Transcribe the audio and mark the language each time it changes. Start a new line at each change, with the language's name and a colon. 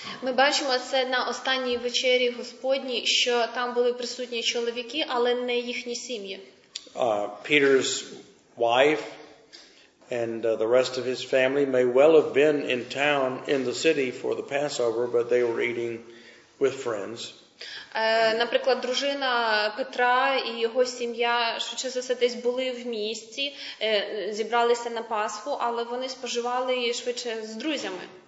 Ukrainian: Ми бачимо це на останній вечері Господній, що там були присутні чоловіки, але не їхні сім'ї.
English: Peter's wife and the rest of his family may well have been in town in the city for the Passover, but they were eating with friends.
Ukrainian: Наприклад, дружина Петра і його сім'я, швидше за все, десь були в місті, зібралися на Пасху, але вони споживали її швидше з друзями.